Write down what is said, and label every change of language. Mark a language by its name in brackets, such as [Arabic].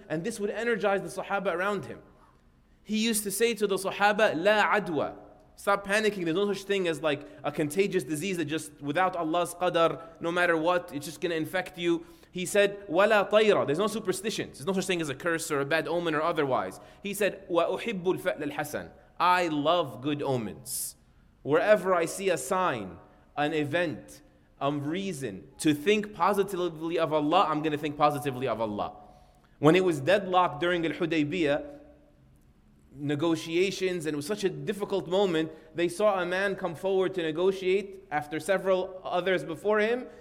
[English] And this would energize the Sahaba around him. He used to say to the Sahaba, [Arabic] la adwa. [English] Stop panicking. There's no such thing as like a contagious disease that just, without Allah's qadar, no matter what, it's just going to infect you. He said, [Arabic] وَلَا طَيْرَ. [English] There's no superstitions. There's no such thing as a curse or a bad omen or otherwise. He said, [Arabic] وَأُحِبُّ الْفَأْلَ الْحَسَنَ. [English] I love good omens. Wherever I see a sign, an event, a reason to think positively of Allah, I'm going to think positively of Allah. When it was deadlocked during Al-Hudaybiyah negotiations, and it was such a difficult moment, they saw a man come forward to negotiate after several others before him.